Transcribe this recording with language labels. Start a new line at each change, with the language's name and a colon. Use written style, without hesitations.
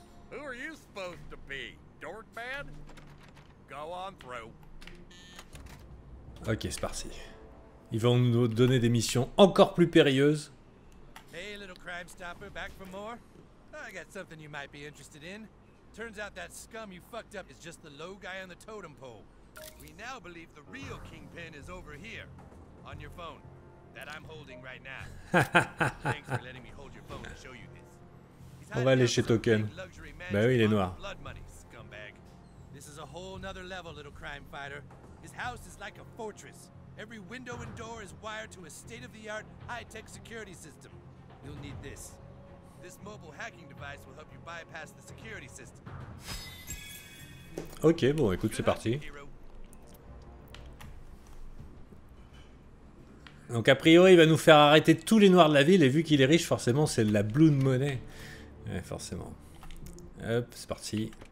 English: Who are you supposed to be, Dorkman? Go on through.
French: Ok, c'est parti. Ils vont nous donner des missions encore plus périlleuses.
English: Hey, little crime stopper, back for more? I got something you might be interested in. Turns out that scum you fucked up is just the low guy on the totem pole. We now believe the real kingpin is over here, on your phone, that I'm holding right now. Thanks for letting me hold your phone to show you this.
French: On va aller chez Token. Bah oui, il est noir.
English: Blood money, scumbag. This is a whole nother level, little crime fighter. His house is like a fortress. Every window and door is wired to a state-of-the-art, high-tech security system. You'll need this. This mobile hacking device will help you bypass the security system.
French: Ok, bon, écoute, c'est parti. Donc a priori, il va nous faire arrêter tous les noirs de la ville, et vu qu'il est riche, forcément, c'est de la
English: blue money.
French: Ouais, forcément. Hop, c'est parti.